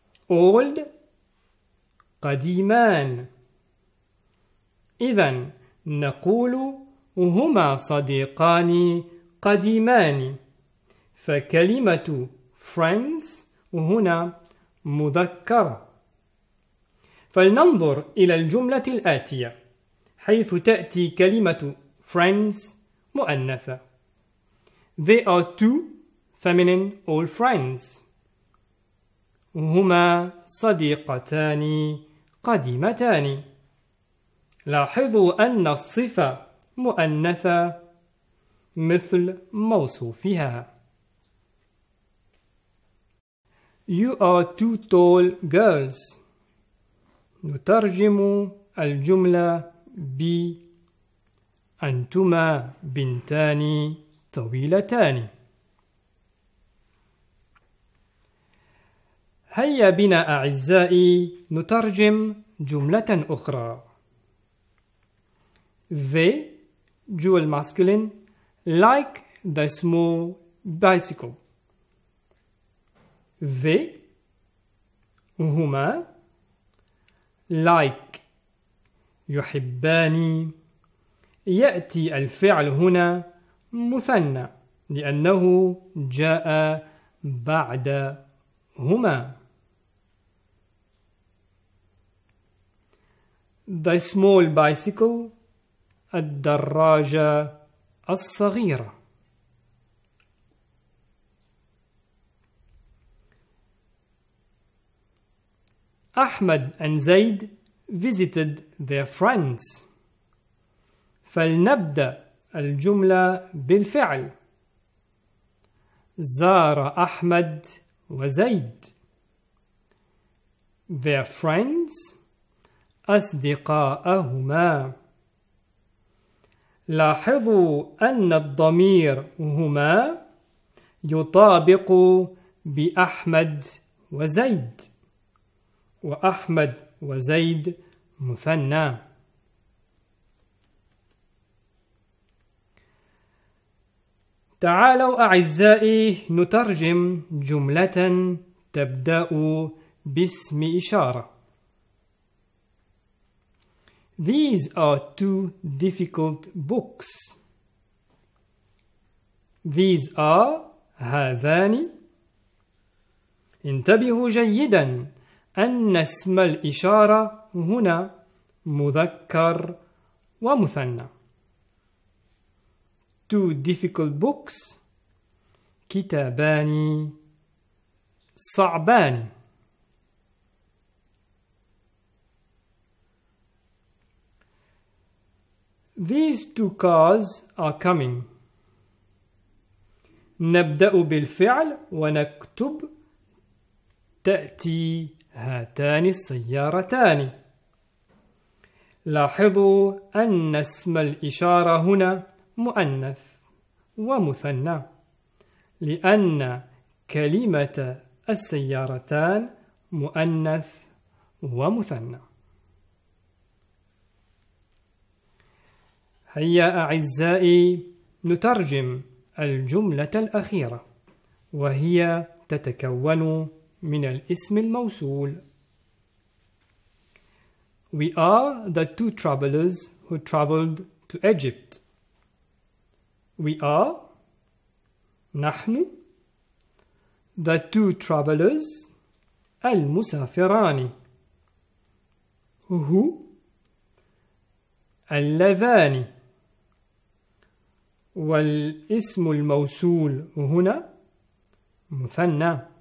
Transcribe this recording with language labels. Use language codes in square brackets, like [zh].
[ar] old قديمان. إذن نقول هما صديقان قديمان، فكلمة friends هنا مذكرة. فلننظر إلى الجملة الآتية، حيث تأتي كلمة friends مؤنثة. [en] They are two feminine old friends. [ar] هما صديقتان قديمتان. لاحظوا أن الصفة مؤنثة مثل موصوفها. [en] You are two tall girls. [ar] نترجم الجملة ب أنتما بنتان طويلتان. هيا بنا أعزائي نترجم جملة أخرى. [en] They dual masculine like the small bicycle. They هما like يحبان. [ar] يأتي الفعل هنا مثنى لأنه جاء بعد هما. [en] The small bicycle [ar] الدراجة الصغيرة. [en] أحمد and زيد visited their friends. [ar] فلنبدأ الجملة بالفعل. زار أحمد وزيد. [en] Their friends [ar] أصدقاءهما. لاحظوا أن الضمير هما يطابق بأحمد وزيد، وأحمد وزيد مثنى. تعالوا أعزائي نترجم جملة تبدأ باسم إشارة. [en] These are two difficult books. These are هذان. [ar] انتبهوا جيدا أن اسم الإشارة هنا مذكر ومثنى. [en] Two difficult books. [ar] كتابان صعبان. [en] These two cars are coming. [ar] نبدأ بالفعل ونكتب تأتي هاتان السيارتان. لاحظوا أن اسم الإشارة هنا مؤنث ومثنى لأن كلمة السيارتان مؤنث ومثنى. هيا أعزائي نترجم الجملة الأخيرة وهي تتكون من الاسم الموصول. [en] We are the two travelers who traveled to Egypt. We are [ar] نحن [en] the two travelers [ar] المسافران who اللذان والاسم الموصول هنا مثنى.